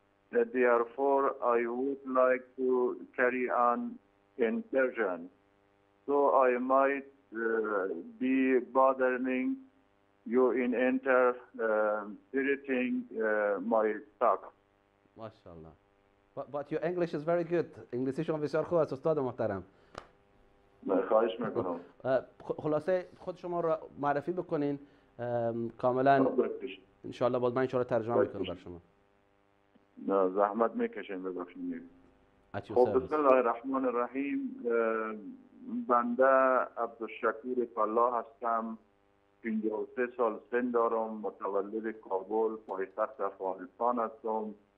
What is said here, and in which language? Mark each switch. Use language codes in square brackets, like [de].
[en] Therefore, I would like to carry on in Persian. So I might be bothering you in interpreting my talk. MashaAllah. But your English is very good. English is [fa] بسیار خوب است استاد محترم. خواهش میکنم. خلاصه خود شما را معرفی بکنین کاملا ان شاء الله من شما ترجمه میکنم بر شما. نه زحمت میکشین ببخشید. خب بسم الله الرحمن الرحیم بنده عبدالشکور فلاح هستم 53 سال سن دارم متولد کابل پایتخت افغانستان هستم.